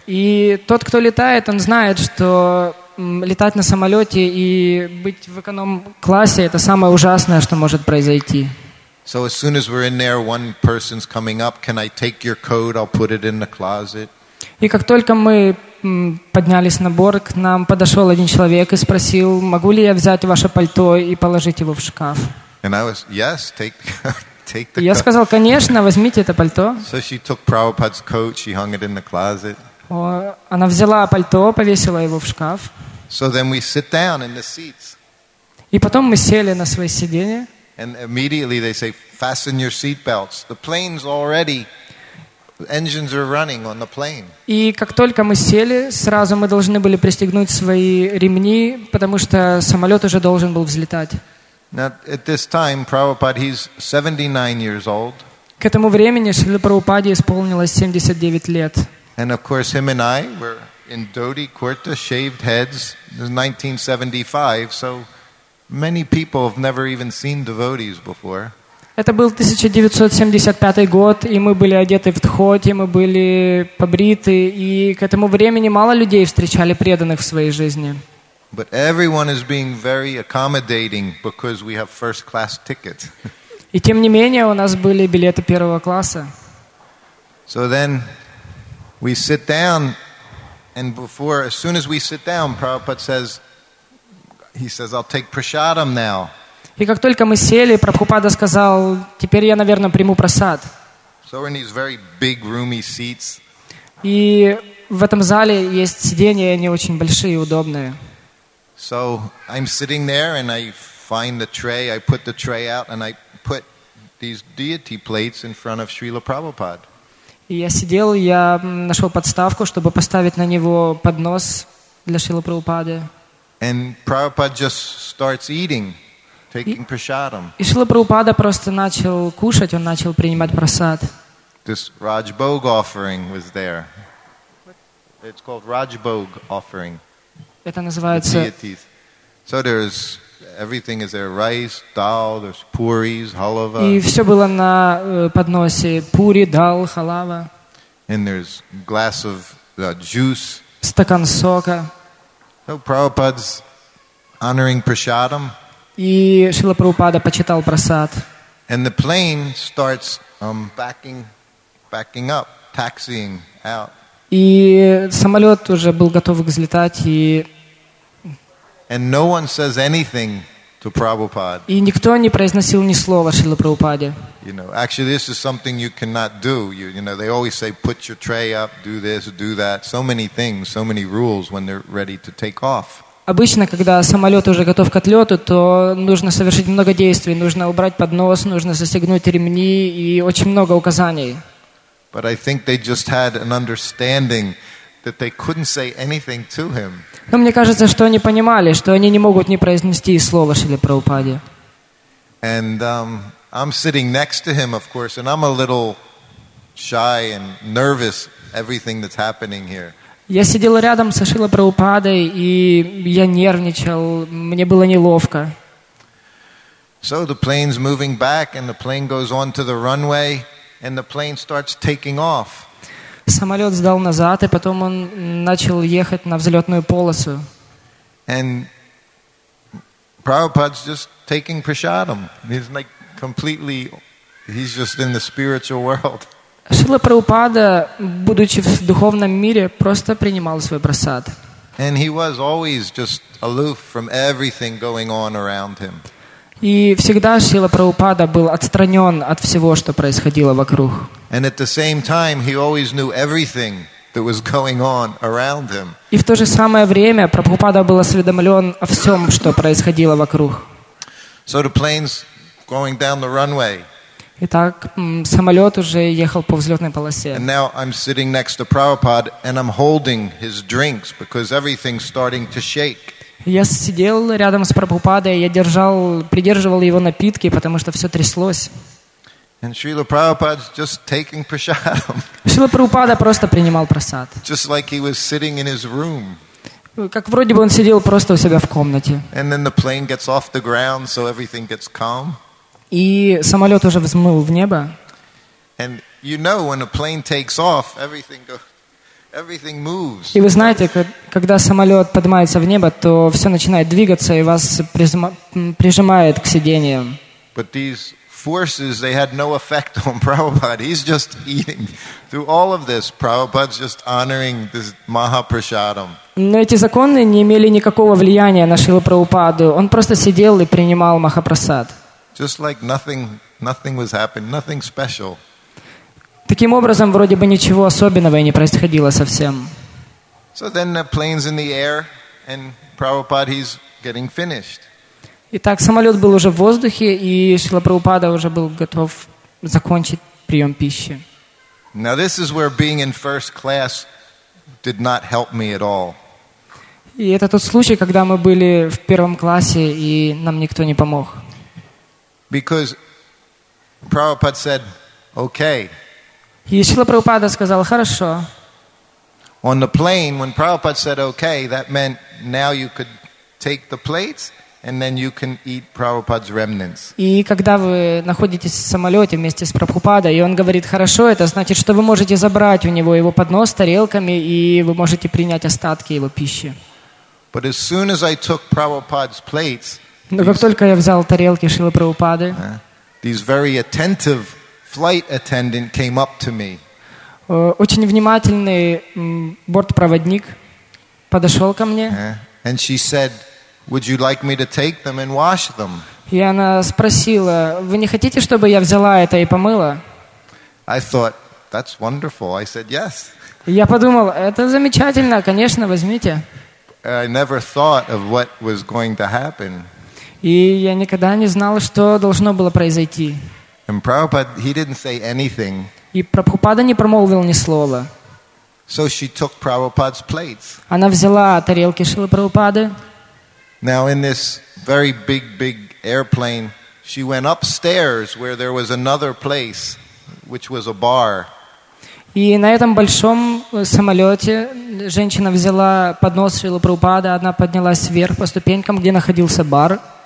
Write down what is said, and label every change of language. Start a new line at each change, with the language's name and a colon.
Russian: И тот, кто летает, он знает, что летать на самолете и быть в эконом-классе — это самое ужасное, что может произойти.
English: So as soon as we're in there, one person's coming up. Can I take your coat? I'll put it in the closet.
Russian: И как только мы поднялись на борт, к нам подошел один человек и спросил: могу ли я взять ваше пальто и положить его в шкаф?
English: And I was, yes, take the coat.
Russian: Я сказал, конечно, возьмите это пальто.
English: So she took Prabhupada's coat, she hung it in the closet.
Russian: Она взяла пальто, повесила его в шкаф.
English: So then we sit down in the seats.
Russian: И потом мы сели на свои сиденья.
English: And immediately they say, fasten your seatbelts. The plane's already, engines are running on the plane.
Russian: И как только мы сели, сразу мы должны были пристегнуть свои ремни, потому что самолет уже должен был взлетать.
English: Now, at this time, Prabhupada, he's 79 years old.
Russian: К этому времени Шрила Прабхупаде исполнилось 79 лет.
English: And of course, him and I were in dhoti kurta, shaved heads. It was 1975, so many people have never even seen devotees before.
Russian: Это был 1975 год, и мы были одеты в дхоти, мы были побриты, и к этому времени мало людей встречали преданных в своей жизни.
English: But everyone is being very accommodating because we have first-class tickets.
Russian: И тем не менее у нас были билеты первого класса.
English: So then we sit down, and before, as soon as we sit down, Prabhupada says, he says, I'll take prasadam now.
Russian: И как только мы сели, Прабхупада сказал: теперь я, наверное, приму прасад.
English: So we're in these very big, roomy seats.
Russian: И в этом зале есть сиденья, они очень большие и удобные.
English: So I'm sitting there and I find the tray, I put the tray out and I put these deity plates in front of Srila Prabhupada.
Russian: Я сидел, я нашел подставку, чтобы поставить на него поднос для Шрилы Прабхупады.
English: And Prabhupada just starts eating, taking prasadam.
Russian: И Шрила Прабхупада просто начал кушать, он начал принимать прасад.
English: This Rajbhog offering was there. It's called Rajbhog offering.
Russian: Это называется.
English: So there's everything is there: rice, dal, there's puris, halava.
Russian: И все было на подносе: пури, дал, халава.
English: And there's glass of juice.
Russian: Стакан сока.
English: So Prabhupada's honoring prasadam.
Russian: И Шрила Прабхупада почитал прасад.
English: And the plane starts backing up, taxiing out.
Russian: И самолет уже был готов взлетать, и
English: And no one says anything to Prabhupada.
Russian: И никто не произносил ни слова Шриле Прабхупаде.
English: You know, actually, this is something you cannot do. You know, they always say, put your tray up, do this, do that. So many things, so many rules when they're ready to take off.
Russian: Обычно, когда самолет уже готов к отлету, то нужно совершить много действий. Нужно убрать поднос, нужно застегнуть ремни и очень много указаний.
English: But I think they just had an understanding that they couldn't say anything to him.
Russian: Но мне кажется, что они понимали, что они не могут не произнести слова Шриле Прабхупаде.
English: And I'm sitting next to him, of course, and I'm a little shy and nervous everything that's happening here.
Russian: Я сидел рядом со Шрилой Прабхупадой, и я нервничал, мне было неловко.
English: So the plane's moving back and the plane goes on to the runway and the plane starts taking off.
Russian: Самолет сдал назад, и потом он начал ехать на взлетную полосу.
English: And Prabhupada's just taking prasadam. He's like completely, he's just in the spiritual world.
Russian: Шрила Прабхупада, будучи в духовном мире, просто принимал свой прасад.
English: And he was always just aloof from everything going on around him.
Russian: И всегда Шрила Прабхупада был отстранен от всего, что происходило вокруг.
English: And at the same time, he always knew everything that was going on around him.
Russian: И в то же самое время Прабхупада был осведомлен о всем, что происходило вокруг.
English: So the planes going down the runway.
Russian: Итак, самолет уже ехал по взлетной полосе.
English: And now I'm sitting next to Prabhupada and I'm holding his drinks because everything's starting to shake.
Russian: Я сидел рядом с Прабхупадой, я держал, придерживал его напитки, потому что все тряслось.
English: Шрила Прабхупада just taking prasadam.
Russian: Шрила Прабхупада просто принимал прасад.
English: Just like he was sitting in his room.
Russian: Как вроде бы он сидел просто у себя в комнате.
English: And then the plane gets off the ground, so everything gets calm.
Russian: И самолет уже взмыл в небо.
English: And you know when a plane takes off, everything goes. Everything moves.
Russian: И вы знаете, когда самолет поднимается в небо, то все начинает двигаться и вас прижимает к сиденьям.
English: But these forces, they had no effect on Prabhupada. He's just eating through all of this. Prabhupada's just honoring this Mahaprasadam.
Russian: Но эти законы не имели никакого влияния на Шрилу Прабхупаду. Он просто сидел и принимал Махапрасад.
English: Just like nothing was happening, nothing special.
Russian: Таким образом, вроде бы ничего особенного и не происходило совсем.
English: So then the plane's in the air, and Prabhupada, he's getting finished.
Russian: Итак, самолет был уже в воздухе, и Шрила Прабхупада уже был готов закончить прием пищи.
English: Now this is where being in first class did not help me at all.
Russian: И это тот случай, когда мы были в первом классе, и нам никто не помог.
English: Because Prabhupada said, okay.
Russian: И Шрила Прабхупада сказал: «Хорошо».
English: On the plane, when Prabhupada said okay, that meant now you could take the plates and then you can eat Prabhupada's remnants.
Russian: И когда вы находитесь в самолете вместе с Прабхупадой, и он говорит: «Хорошо», это значит, что вы можете забрать у него его поднос с тарелками, и вы можете принять остатки его пищи.
English: But as soon as I took Prabhupada's plates,
Russian: но как только я взял тарелки Шрилы Прабхупады,
English: these very attentive flight attendant came up to me.
Russian: Очень внимательный бортпроводник подошел ко мне.
English: And she said, "Would you like me to take them and wash them?"
Russian: И она спросила: "Вы не хотите, чтобы я взяла это и помыла?"
English: I thought, "That's wonderful." I said, "Yes."
Russian: Я подумал: "Это замечательно, конечно, возьмите."
English: I never thought of what was going to happen.
Russian: И я никогда не знал, что должно было произойти.
English: And Prabhupada, he didn't say anything.
Russian: И Прабхупада не промолвил ни слова.
English: So she took Prabhupada's plates.
Russian: Она взяла тарелки Шрилы Прабхупады.
English: Now in this very big, big airplane, she went upstairs where there was another place, which was a bar.
Russian: И на этом большом самолете женщина взяла поднос Шрилы Прабхупады, она поднялась вверх по ступенькам, где находился бар.